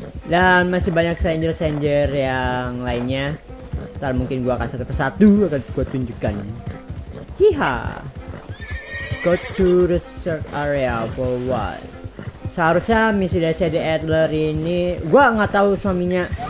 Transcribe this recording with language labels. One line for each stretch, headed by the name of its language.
Indonesian: Dan masih banyak stranger yang lainnya. Ntar mungkin gua akan satu persatu akan gua tunjukkan. Hiha.
English: Go to research area for what?
Indonesian: Seharusnya misi dari Shady Adler ini gua nggak tahu suaminya.